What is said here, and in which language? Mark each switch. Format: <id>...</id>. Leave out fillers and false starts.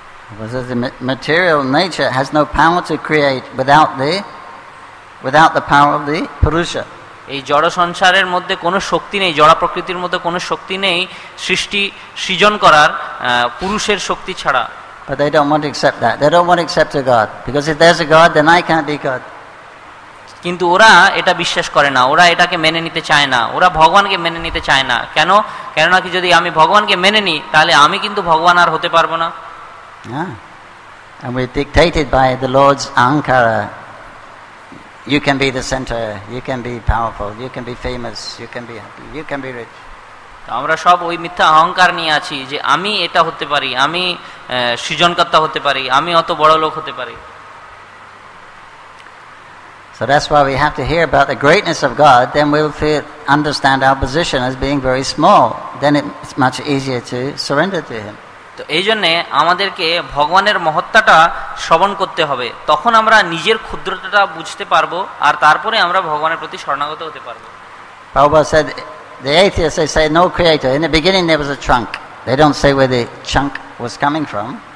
<en>Because the material nature has no power to create without the power of the purusha.</en> <bn>এই জড় সংসারের মধ্যে কোনো শক্তি নেই, জড় প্রকৃতির মধ্যে কোনো শক্তি নেই সৃষ্টি সৃজন করার পুরুষের শক্তি ছাড়া।</bn> <en>But they don't want to accept that. They don't want to accept a God. Because if there's a God, then I can't be God.</en> <bn>কিন্তু ওরা এটা বিশ্বাস করে না, ওরা এটাকে মেনে নিতে চায় না, ওরা ভগবানকে মেনে নিতে চায় না। কেন? কেননা কি যদি আমি ভগবানকে মেনে নিই তাহলে আমি কিন্তু ভগবান আর হতে পারবো না।</bn> <en>And we're dictated by the Lord's Ankara. You can be the center, you can be powerful, you can be famous, you can be happy, you can be rich.</en> <bn>আমরা সব ওই মিথ্যা অহংকার নিয়ে আছি যে আমি এটা হতে পারি, আমি সৃজনকর্তা হতে পারি, আমি অত বড় লোক হতে পারি।</bn> <en>So that's why we have to hear about the greatness of God, then we'll feel, understand our position as being very small, then it's much easier to surrender to him.</en> <bn>তো এই জন্যে আমাদেরকে ভগবানের মহত্তাটা শ্রবণ করতে হবে, তখন আমরা নিজের ক্ষুদ্রতাটা বুঝতে পারবো আর তারপরে আমরা ভগবানের প্রতি শরণাগত হতে পারবো।</bn> <en>Prabhupada said the atheists, they say no creator. In the beginning there was a trunk. They don't say where the trunk was coming from.</en>